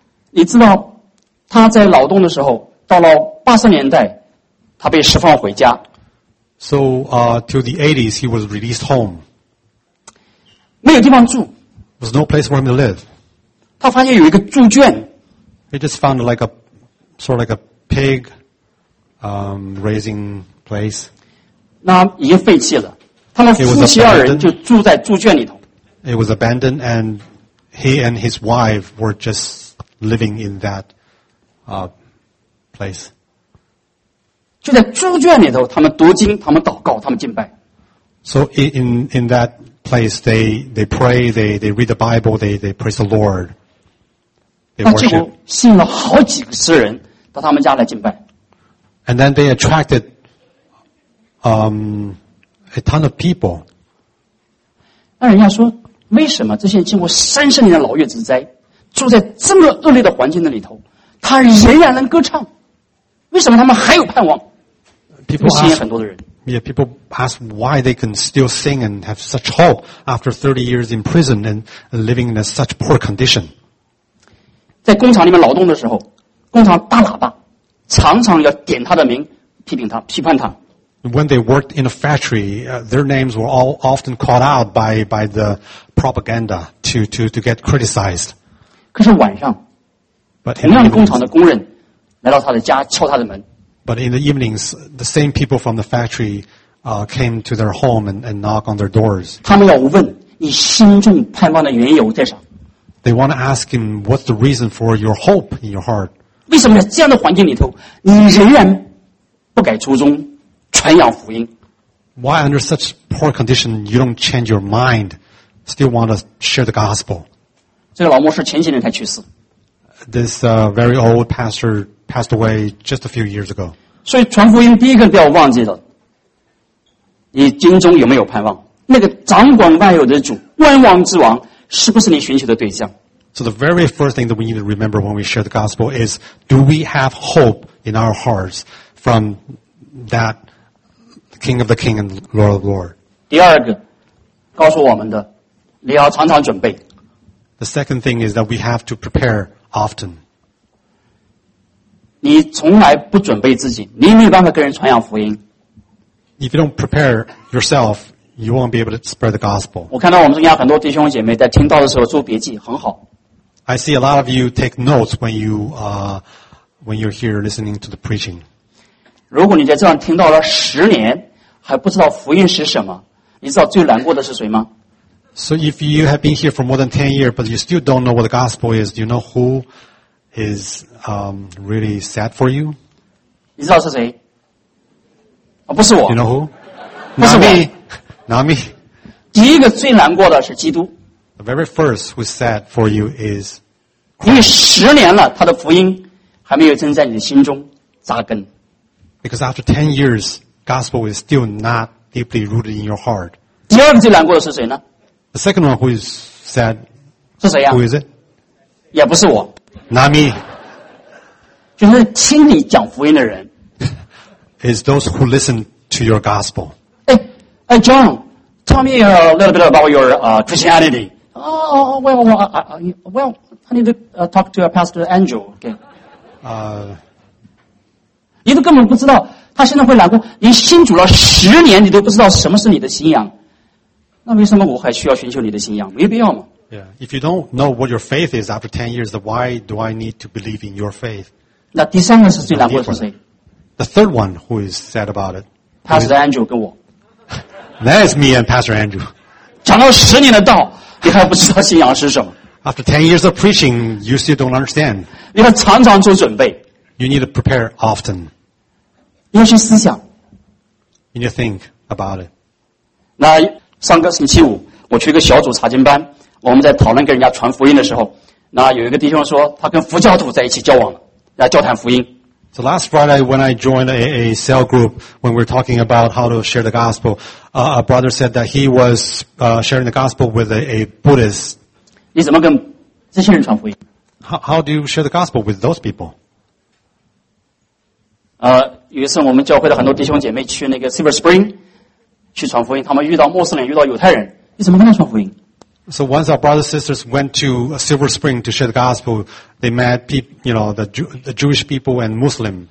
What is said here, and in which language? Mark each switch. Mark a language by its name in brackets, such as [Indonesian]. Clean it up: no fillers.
[Chinese] 你知道他在劳动的时候到了80年代他被释放回家。 [English] So, till the 80s, he was released home. [Chinese] 没有地方住。 [English] There was no place for him to live. [Chinese] 他发现有一个猪圈。 [English] He just found like a, sort of like a pig, raising place. [Chinese] 那已经废弃了。他们夫妻二人就住在猪圈里头。 [English] It was abandoned and he and his wife were just living in that, place. [Chinese] 就在猪圈里头，他们读经，他们祷告，他们敬拜。 [English] So in that place, they pray, they read the Bible, they praise the Lord. [Chinese] 那结果吸引了好几个诗人到他们家来敬拜。 [English] And then they attracted a ton of people. [Chinese] 那人家说，为什么这些经过30年的牢狱之灾，住在这么恶劣的环境的里头，他仍然能歌唱？为什么他们还有盼望？ [English] People ask why they can still sing and have such hope after 30 years in prison and living in such poor condition. [Chinese] 在工厂里面劳动的时候，工厂大喇叭常常要点他的名，批评他，批判他。 [English] When they worked in a factory, their names were all often called out by the propaganda to get criticized. [Chinese] 可是晚上，同样工厂的工人来到他的家，敲他的门。 [English] But in the evenings, the same people from the factory, came to their home and knock on their doors. [Chinese] 他们要问你心中盼望的缘由在啥。 [English] They want to ask him, what's the reason for your hope in your heart? [Chinese] 为什么在这样的环境里头你仍然不改初衷传扬福音。 [English] Why under such poor condition you don't change your mind, still want to share the gospel? [Chinese] 这个老牧师前几年才去世。 [English] This, very old pastor passed away just a few years ago. [Chinese] 所以传福音第一个不要忘记的，你心中有没有盼望？那个掌管万有的主，万王之王，是不是你寻求的对象？ [English] So the very first thing that we need to remember when we share the gospel is, do we have hope in our hearts from that King of the King and Lord of the Lord? [Chinese] 第二个，告诉我们的，你要常常准备。 [English] The second thing is that we have to prepare often. [Chinese] 你从来不准备自己，你没有办法跟人传扬福音。 [English] If you don't prepare yourself, you won't be able to spread the gospel. [Chinese] 我看到我们中间很多弟兄姐妹在听到的时候做笔记，很好。 [English] I see a lot of you take notes when you're here listening to the preaching. [Chinese] 如果你在这样听到了十年，还不知道福音是什么，你知道最难过的是谁吗？ [English] So if you have been here for more than 10 years, but you still don't know what the gospel is, do you know who is really sad for you? [Chinese] 你知道是谁？哦，不是我。 [English] You know who? [Chinese] 不是我。 [English] Not me. [Chinese] 第一个最难过的是基督。 [English] The very first who's sad for you is Christ. [Chinese] 因为十年了，他的福音还没有真在你的心中扎根。 [English] Because after 10 years, gospel is still not deeply rooted in your heart. [Chinese] 第二个最难过的是谁呢？ [English] The second one who is sad [Chinese] 是谁呀？ [English] Who is it? [Chinese] 也不是我。 [English] Not me. [Chinese] 就是听你讲福音的人。 [English] Is those who listen to your gospel. Hey, John, tell me a little bit about your Christianity. I need to talk to Pastor Andrew. Okay. [Chinese] 你都根本不知道他现在会难过。你信主了十年你都不知道什么是你的信仰。那为什么我还需要寻求你的信仰？没必要吗？ [English] Yeah. If you don't know what your faith is after 10 years, then why do I need to believe in your faith? [Chinese] 那第三个是最难过的是谁？ [English] The third one who is sad about it. [Chinese] Pastor Andrew 跟我。 [English] That's me and Pastor Andrew. [Chinese] 讲到十年的道，你还不知道信仰是什么。 [English] After 10 years of preaching, you still don't understand. [Chinese] 你要常常做准备。 [English] You need to prepare often. [Chinese] 你要去思想。 [English] You need to think about it. [Chinese] 那上个星期五，我去一个小组查经班。我们在讨论跟人家传福音的时候，那有一个弟兄说他跟佛教徒在一起交往了，来交谈福音。 [English] So last Friday when I joined a cell group, when we were talking about how to share the gospel, a brother said that he was sharing the gospel with a Buddhist. [Chinese] 你怎么跟这些人传福音? [English] How do you share the gospel with those people? [Chinese] 有一次我们教会的很多弟兄姐妹去那个 Silver Spring 去传福音，他们遇到陌生人，遇到犹太人。你怎么跟他传福音? [English] So once our brothers and sisters went to Silver Spring to share the gospel, they met the Jewish people and Muslim.